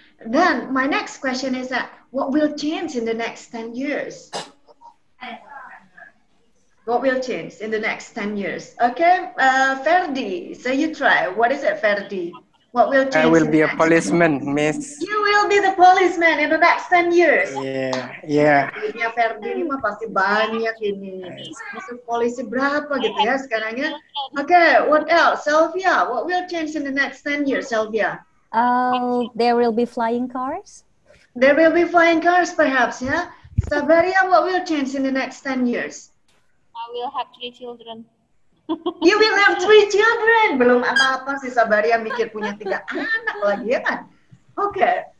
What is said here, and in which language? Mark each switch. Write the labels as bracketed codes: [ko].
[en] Then my next question is that what will change in the next 10 years? What will change in the next 10 years? Okay, Ferdi, so you try. What is it, Ferdi? What will change? I will be a policeman, miss. You will be the policeman in the next 10 years. Yeah, yeah. [id] Ferdi ini mah pasti banyak ini. Masuk polisi berapa gitu ya sekarang ya? [en] Okay, what else? Sylvia, what will change in the next 10 years, Sylvia? There will be flying cars. There will be flying cars perhaps, yeah? Sabaria, what will change in the next 10 years? I will have three children. You will have three children. [id] Belum apa-apa sih Sabaria mikir punya tiga anak lagi ya kan? Okay.